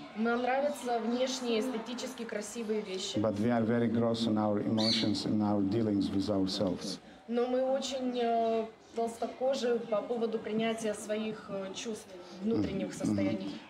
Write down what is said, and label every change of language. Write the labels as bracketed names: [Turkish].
[Russian] Нам нравятся внешние эстетически красивые вещи. [English] But we are very gross in our emotions and our dealings with ourselves. [Russian] Но мы очень толстокожи по поводу принятия своих чувств, внутренних состояний.